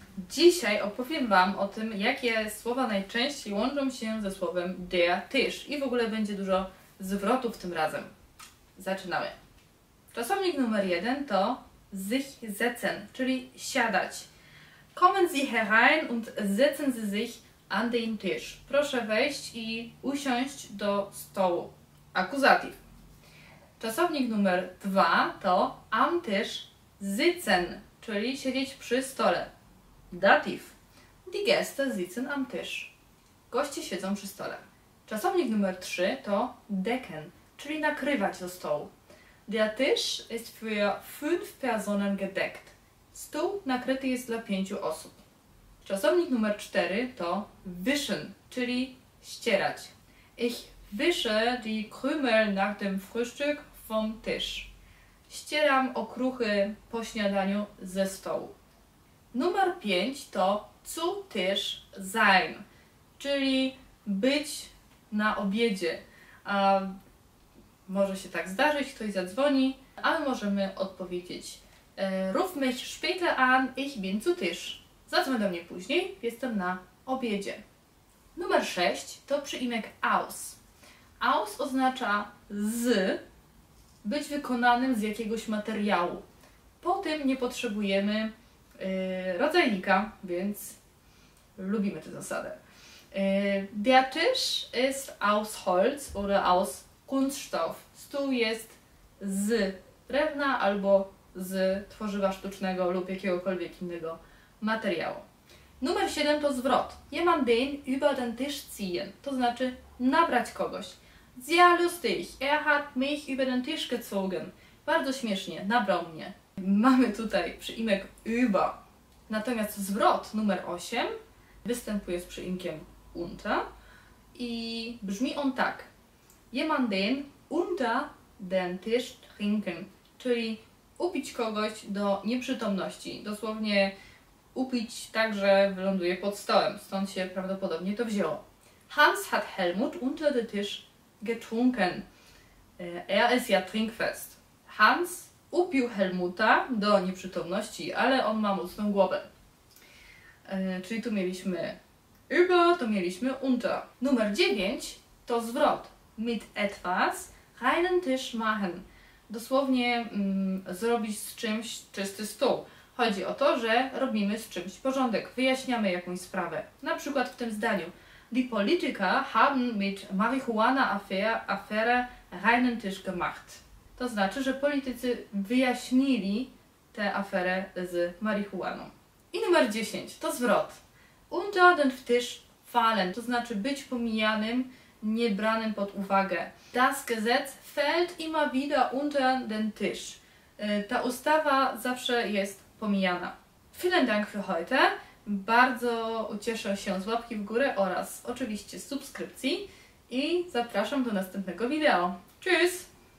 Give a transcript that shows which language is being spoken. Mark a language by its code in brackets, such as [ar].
[pl] Dzisiaj opowiem Wam o tym, jakie słowa najczęściej łączą się ze słowem der Tisch. I w ogóle będzie dużo zwrotów tym razem. Zaczynamy. Czasownik numer jeden to sich setzen, czyli siadać. [de] Kommen Sie herein und setzen Sie sich an den Tisch. [pl] Proszę wejść i usiąść do stołu. Akkusativ. Czasownik numer dwa to am Tisch sitzen, czyli siedzieć przy stole. Dativ. [de] Die Gäste sitzen am Tisch. [pl] Goście siedzą przy stole. Czasownik numer trzy to decken, czyli nakrywać do stołu. [de] Der Tisch ist für fünf Personen gedeckt. [pl] Stół nakryty jest dla pięciu osób. Czasownik numer cztery to wischen, czyli ścierać. [de] Ich wische die Krümel nach dem Frühstück vom Tisch. [pl] Ścieram okruchy po śniadaniu ze stołu. Numer 5 to [de] zu Tisch sein, [pl] czyli być na obiedzie. A może się tak zdarzyć, ktoś zadzwoni, ale możemy odpowiedzieć. [de] Ruf mich später an, ich bin zu Tisch. [pl] Zadzwoń do mnie później, jestem na obiedzie. Numer 6 to przyimek aus. Aus oznacza z, być wykonanym z jakiegoś materiału. Po tym nie potrzebujemy rodzajnika, więc lubimy tę zasadę. [de] Der Tisch ist aus Holz oder aus Kunststoff. [pl] Stół jest z drewna albo z tworzywa sztucznego lub jakiegokolwiek innego materiału. Numer 7 to zwrot. [de] Jemand den über den Tisch ziehen, [pl] to znaczy nabrać kogoś. [de] Sehr lustig. Er hat mich über den Tisch gezogen. [pl] Bardzo śmiesznie. Nabrał mnie. Mamy tutaj przyimek über. Natomiast zwrot numer 8 występuje z przyimkiem unter. I brzmi on tak. [de] Jemand den unter den Tisch trinken. [pl] Czyli upić kogoś do nieprzytomności. Dosłownie upić tak, że wyląduje pod stołem. Stąd się prawdopodobnie to wzięło. [de] Hans hat Helmut unter den Tisch getrunken. Er ist ja trinkfest. [pl] Hans upił Helmuta do nieprzytomności, ale on ma mocną głowę. Czyli tu mieliśmy über, tu mieliśmy unter. Numer 9 to zwrot. [de] Mit etwas reinen Tisch machen. [pl] Dosłownie zrobić z czymś czysty stół. Chodzi o to, że robimy z czymś porządek, wyjaśniamy jakąś sprawę. Na przykład w tym zdaniu. [de] Die Politiker haben mit Marihuana-Affäre reinen Tisch gemacht. [pl] To znaczy, że politycy wyjaśnili tę aferę z marihuaną. I numer 10 to zwrot. [de] Unter den Tisch fallen, [pl] to znaczy być pomijanym, nie branym pod uwagę. [de] Das Gesetz fällt immer wieder unter den Tisch. [pl] Ta ustawa zawsze jest pomijana. [de] Vielen Dank für heute. [pl] Bardzo ucieszę się z łapki w górę oraz oczywiście subskrypcji i zapraszam do następnego wideo. [de] Tschüss!